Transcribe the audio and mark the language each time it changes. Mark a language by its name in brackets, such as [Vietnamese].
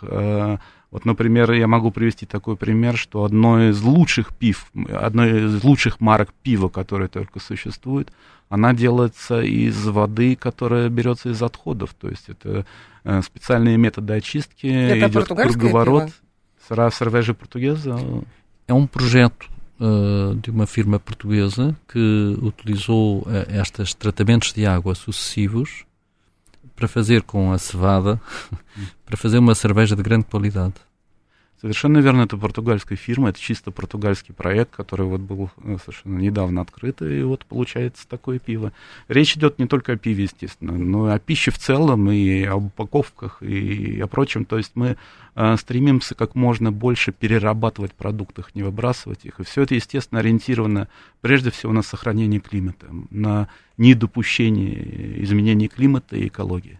[Russian] Вот, например, я могу привести такой пример, что одно из лучших пив, одно из лучших марок пива, которое только существует, она делается из воды, которая берется из отходов. То есть это специальные методы очистки. Это идет круговорот. Пиво. [Portuguese] Cerveja Portuguesa. É um projeto de uma firma portuguesa que utilizou estes tratamentos de água sucessivos para fazer com a cevada, para fazer uma cerveja de grande qualidade. [Russian] Совершенно верно, это португальская фирма, это чисто португальский проект, который вот был совершенно недавно открыт, и вот получается такое пиво. Речь идет не только о пиве, естественно, но и о пище в целом, и об упаковках, и о прочем. То есть мы стремимся как можно больше перерабатывать продукты, не выбрасывать их. И все это, естественно, ориентировано прежде всего на сохранение климата, на недопущение изменений климата и экологии.